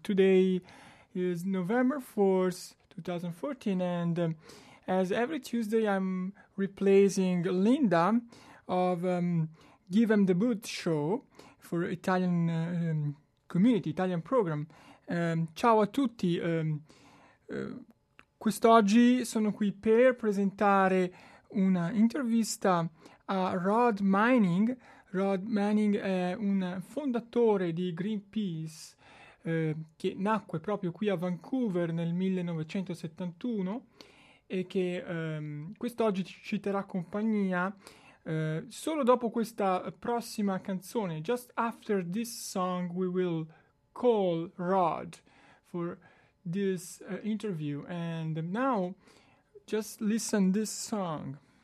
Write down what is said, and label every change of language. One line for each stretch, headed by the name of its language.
English: Today is November 4th, 2014, and as every Tuesday, I'm replacing Linda of Give 'Em the Boot show for Italian community, Italian program.
Italian: Ciao a tutti. Quest'oggi sono qui per presentare una intervista a Rod Manning. Rod Manning è un fondatore di Greenpeace, che nacque proprio qui a Vancouver nel 1971 e che quest'oggi ci terrà compagnia solo dopo questa prossima canzone.
English: Just after this song we will call Rod for this interview, and now just listen this song.